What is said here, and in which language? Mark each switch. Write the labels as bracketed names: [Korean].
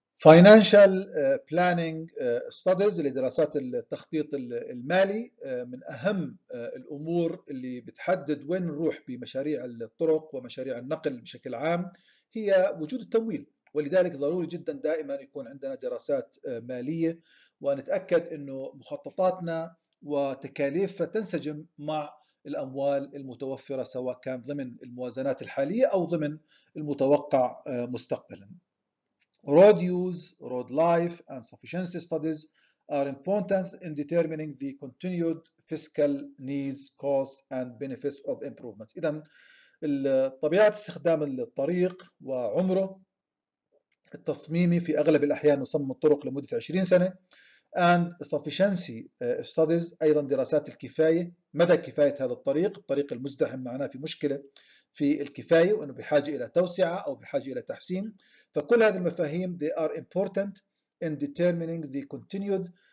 [English] Financial Planning Studies [Arabic] لدراسات التخطيط المالي من أهم الأمور اللي بتحدد وين نروح بمشاريع الطرق ومشاريع النقل بشكل عام هي وجود التمويل، ولذلك ضروري جدا دائما يكون عندنا دراسات مالية ونتأكد أنه مخططاتنا وتكاليفها تنسجم مع الأموال المتوفرة، سواء كان ضمن الموازنات الحالية أو ضمن المتوقع مستقبلا. [English] Road use, road life, and sufficiency studies are important in determining the continued fiscal needs, costs, and benefits of improvements. [Arabic] إذا طبيعة استخدام الطريق وعمره التصميمي في أغلب الأحيان نصمم الطرق لمدة 20 سنة. [English] And sufficiency studies [Arabic] أيضا دراسات الكفاية، مدى كفاية هذا الطريق، الطريق المزدحم معناه في مشكلة في الكفاية وأنه بحاجة إلى توسعة أو بحاجة إلى تحسين. فكل هذه المفاهيم [English] they are important in determining the continued